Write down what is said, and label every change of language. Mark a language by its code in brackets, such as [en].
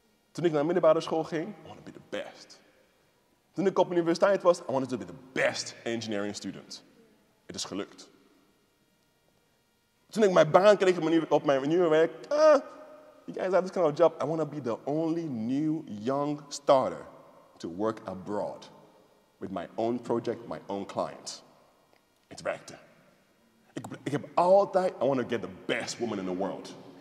[nl] Toen ik naar de middelbare school ging, [en] I wanted to be the best. [nl] Toen ik op universiteit was, [en] I wanted to be the best engineering student. [nl] Het is gelukt. Toen ik mijn baan kreeg op mijn nieuwe werk, [en] you guys have this kind of job. I want to be the only new young starter to work abroad with my own project, my own client. [nl] Het werkte. Ik heb altijd, [en] I want to get the best woman in the world.